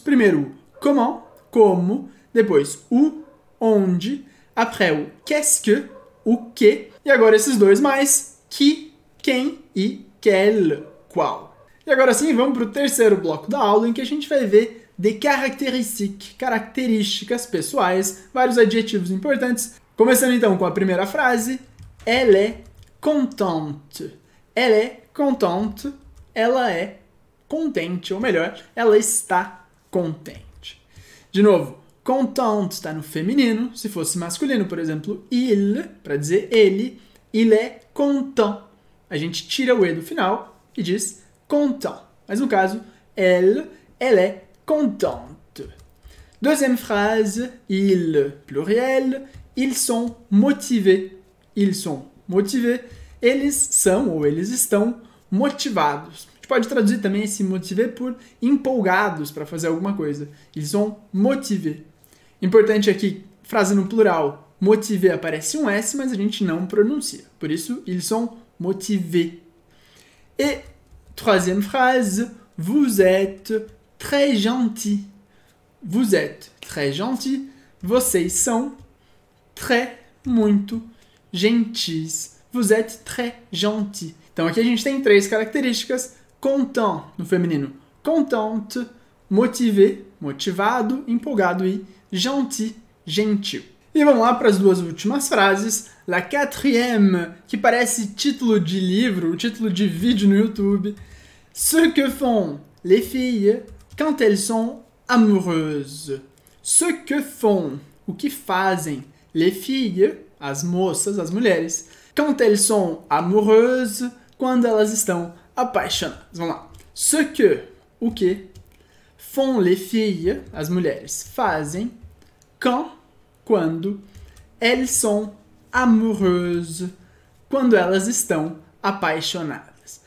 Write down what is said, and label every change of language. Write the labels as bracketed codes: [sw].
[pt] Primeiro, comment, como. Depois, o, onde. Après, o, [fr] qu'est-ce que, [pt] o que. E agora esses dois mais, qui, quem e quel, qual. E agora sim, vamos para o terceiro bloco da aula, em que a gente vai ver [fr] des caractéristiques, [pt] características pessoais, vários adjetivos importantes. Começando então com a primeira frase, [fr] elle est contente. Elle est contente, [pt] ela é contente, ou melhor, ela está contente. De novo, contente está no feminino, se fosse masculino, por exemplo, il, para dizer ele, [fr] il est content. [pt] A gente tira o E do final e diz content. Mas no caso, [fr] elle, elle est contente. Deuxième phrase, il, pluriel, ils sont motivés. Ils sont motivés. [pt] Eles são ou eles estão motivados. A gente pode traduzir também esse motivé por empolgados para fazer alguma coisa. [fr] Ils sont motivés. [pt] Importante aqui, frase no plural, motivé aparece um S, mas a gente não pronuncia. Por isso, [fr] ils sont motivés. E troisième phrase, vous êtes très gentil. Vous êtes très gentil. [pt] Vocês são très, muito gentis. [fr] Vous êtes très gentil. [pt] Então aqui a gente tem três características. Content, no feminino. Contente, motivé, motivado, empolgado e gentil, gentil. E vamos lá para as duas últimas frases. La quatrième, que parece título de livro, título de vídeo no YouTube. [fr] Ce que font les filles quand elles sont amoureuses. Ce que font, [pt] o que fazem [fr] les filles, [pt] as moças, as mulheres, [fr] quand elles sont amoureuses, [pt] quando elas estão apaixonadas. Vamos lá. Ce que, o que, [fr] font les filles, [pt] as mulheres, fazem quand, quando, [fr] elles sont amoureuses, [pt] quando elas estão apaixonadas.